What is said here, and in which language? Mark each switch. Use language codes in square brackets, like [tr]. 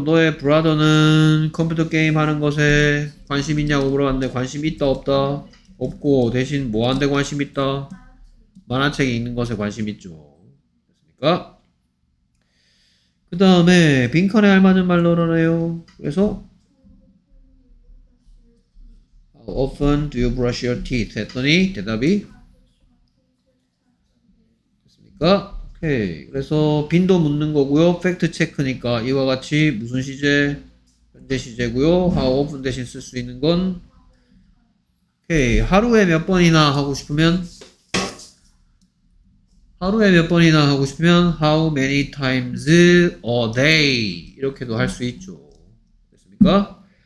[ko] 너의 브라더는 컴퓨터 게임 하는 것에 관심 있냐고 물어봤는데 관심 있다 없다? 없고 대신 뭐 하는데 관심 있다? 만화책 읽는 것에 관심 있죠. 됐습니까? 그 다음에 빈칸에 알맞은 말로라네요. [en] 그래서 How often do you brush your teeth? [ko] 했더니 대답이 됐습니까? 오케이, 그래서 빈도 묻는 거고요. 팩트 체크니까 이와 같이 무슨 시제? 현재 시제고요. How often 대신 쓸 수 있는 건 오케이, 하루에 몇 번이나 하고 싶으면 하루에 몇 번이나 하고 싶으면 [en] How many times a day [ko] 이렇게도 할 수 있죠. 됐습니까?